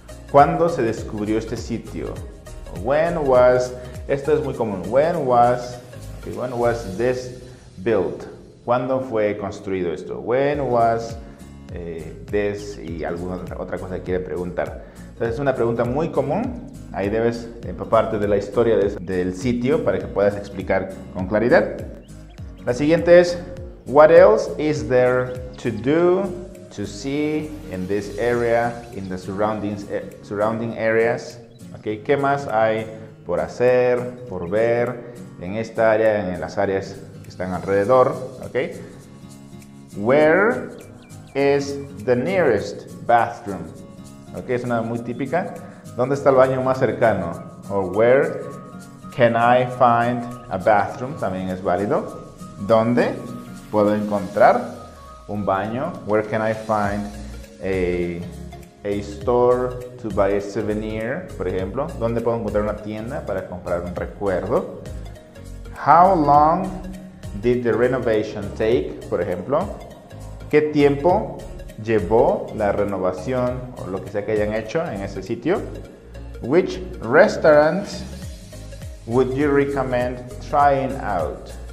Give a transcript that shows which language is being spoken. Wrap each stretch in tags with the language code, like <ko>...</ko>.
<es>¿Cuándo se descubrió este sitio?</es> <en>When was,</en> <es>esto es muy común,</es> <en>when was this built?</en> <es>¿Cuándo fue construido esto?</es> <en>When was this,</en> <es>y alguna otra cosa que quieren preguntar. Entonces, es una pregunta muy común. Ahí debes empaparte de la historia del sitio para que puedas explicar con claridad. La siguiente es,</es> <en>what else is there to do, to see in this area, in the surrounding areas?</en> <es>Okay, ¿qué más hay por hacer, por ver en esta área, en las áreas que están alrededor?</es> <en>Okay. Where is the nearest bathroom?</en> <es>Okay, es una muy típica. ¿Dónde está el baño más cercano? O</es> <en>where can I find a bathroom?</en> <es>También es válido. ¿Dónde puedo encontrar un baño?</es> <en>Where can I find a store to buy a souvenir?</en> <es>Por ejemplo, ¿dónde puedo encontrar una tienda para comprar un recuerdo?</es> <en>How long did the renovation take?</en> <es>Por ejemplo, ¿qué tiempo llevó la renovación o lo que sea que hayan hecho en ese sitio?</es> <en>Which restaurant would you recommend trying out?</en>